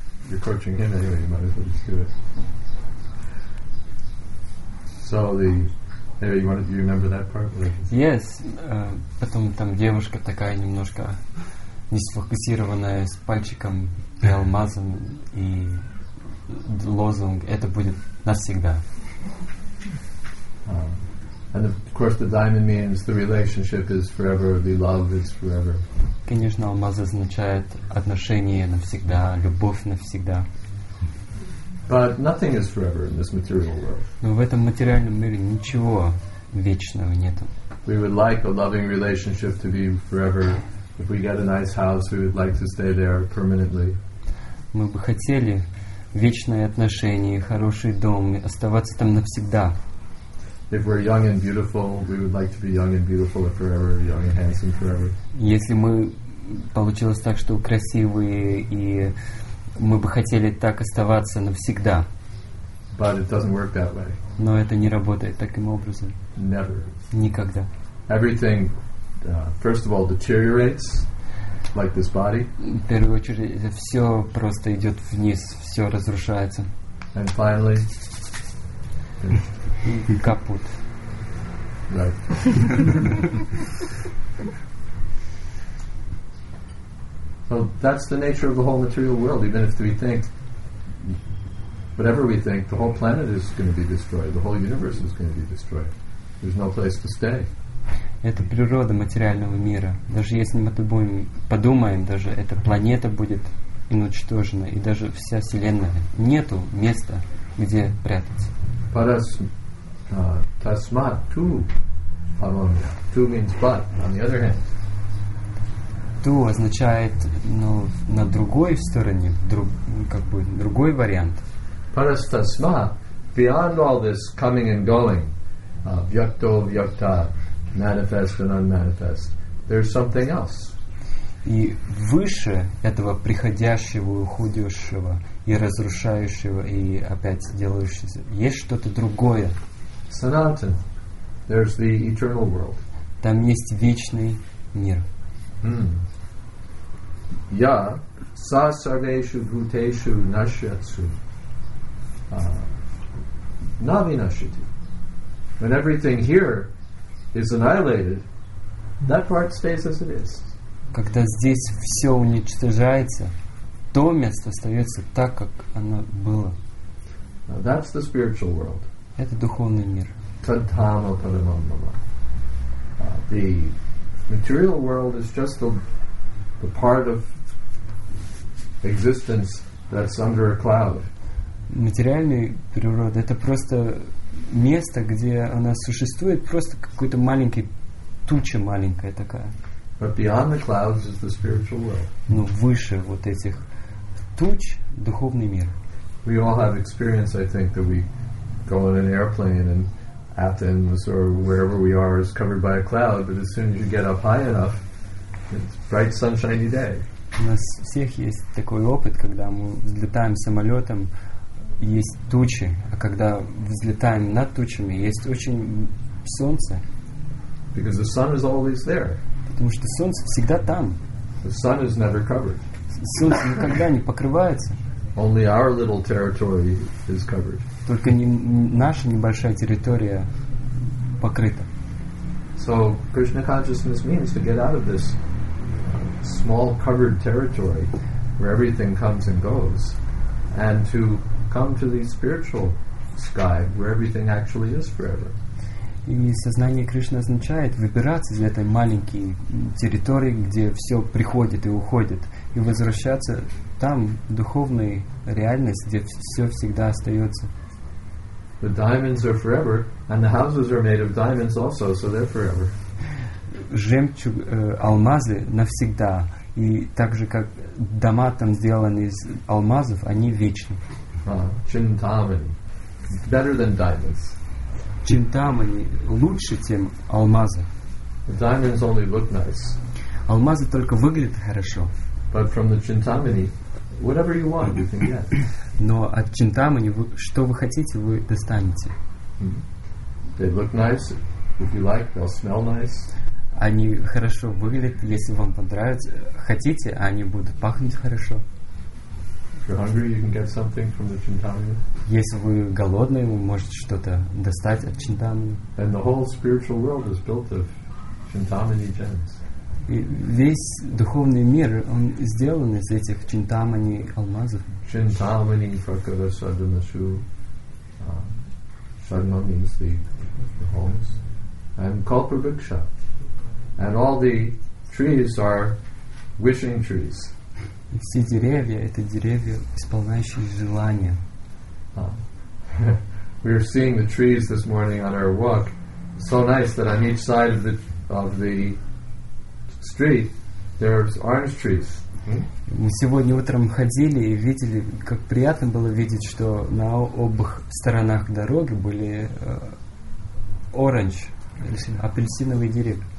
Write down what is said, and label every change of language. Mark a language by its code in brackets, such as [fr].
[en] You're coaching him anyway, you might as well just do it. So the Hey, you wanted, you remember that part? Yes. [ru] Потом там девушка такая немножко не сфокусированная с пальчиком и алмазом и лозунг. Это будет навсегда. [en] And of course, the diamond means the relationship is forever. The love is forever. [ru] Конечно, алмаз означает отношения навсегда, любовь навсегда. [en] But nothing is forever in this material world. [ru] Но в этом материальном мире ничего вечного нету. [en] We would like a loving relationship to be forever. If we get a nice house, we would like to stay there permanently. [ru] Мы бы хотели вечные отношения, хороший дом, оставаться там навсегда. [en] If we're young and beautiful, we would like to be young and beautiful forever, young and handsome forever. [ru] Если мы получилось так, что красивые и мы бы хотели так оставаться навсегда. [en] But it doesn't work that way. [ru] Но это не работает таким образом. [en] Never. [ru] Никогда. [en] Everything, first of all, deteriorates, like this body. [ru] В первую очередь, все просто идет вниз, все разрушается. [en] And finally, [ru] капут. [en] Right. So that's the nature of the whole material world. Even if we think, whatever we think, the whole planet is going to be destroyed. The whole universe is going to be destroyed. There's no place to stay. [ru] Это природа материального мира. Даже если мы подумаем, даже эта планета будет уничтожена, и даже вся Вселенная, нету места, где прятаться. [sa] Tasmat tu paramya. [en] Tu means but. On the other hand, [ru] tu означает, ну, на другой стороне, другой вариант. [en] Parastasma, beyond all this coming and going, [sa] vyakto vyakta, [en] manifest and unmanifest, there's something else. [ru] И выше этого приходящего, уходящего и разрушающего и опять делающегося, есть что-то другое. [en] Sanatan, there's the eternal world. [ru] Там есть вечный мир. [sa] Я са сарвешу бхутешу нашьяцу нави нашьяти. [en] When everything here is annihilated, that part stays as it is. [ru] Когда здесь все уничтожается, то место остается так, как оно было. [en] Now that's the spiritual world. [ru] Это духовный мир. [sa] Tadhama paramam mama. [en] The material world is just the part of existence that's under a cloud. [ru] Материальная природа — это просто место, где она существует, просто какой-то маленький туча маленькая такая. [en] But beyond the clouds is the spiritual world. [ru] Но выше вот этих туч — духовный мир. [en] We all have experience, I think, that we go on an airplane and Athens or wherever we are is covered by a cloud, but as soon as you get up high enough, it's bright sunshiny day. [ru] У нас всех есть такой опыт, когда мы взлетаем самолетом, есть тучи, а когда взлетаем над тучами, есть очень солнце. [en] Because the sun is always there. [ru] Потому что солнце всегда там. [en] The sun is never covered. [ru] Солнце никогда не покрывается. [en] Only our little territory is covered. [ru] Только наша небольшая территория покрыта. [en] So Krishna consciousness means to get out of this small covered territory where everything comes and goes, and to come to the spiritual sky where everything actually is forever. [ru] И сознание Кришны означает выбираться из этой маленькой территории, где все приходит и уходит, и возвращаться там, в духовную реальность, где все всегда остается. [en] The diamonds are forever, and the houses are made of diamonds also, so they're forever. [ru] Жемчуг, алмазы навсегда, и так же, как дома там сделаны из алмазов, они вечны. [en] Чинтамани. Better than diamonds. [ru] Чинтамани лучше, чем алмазы. [en] The diamonds only look nice. [ru] Алмазы только выглядят хорошо. [en] But from the чинтамани, whatever you want, you can get. [ru] Но от чинтамани, что вы хотите, вы достанете. [en] They look nice. If you like, they'll smell nice. [ru] Они хорошо выглядят, если вам понравится. Хотите, они будут пахнуть хорошо. [en] If you're hungry, you can get something from the чинтамани. [ru] Если вы голодные, вы можете что-то достать от чинтамани. [en] And the whole spiritual world is built of чинтамани gems. [ru] И весь духовный мир, он сделан из этих чинтамани алмазов. [sa] Чинтамани пракара садхана шу. Садхана [en] means the homes. And kalpa vriksha. And all the trees are wishing trees. [ru] И все деревья — это деревья, исполняющие желания. [en] We are seeing the trees this morning on our walk. So nice that on each side of the street there's orange trees. [ru] Мы сегодня утром ходили и видели, как приятно было видеть, что на обоих сторонах дороги были оранж, апельсиновые деревья.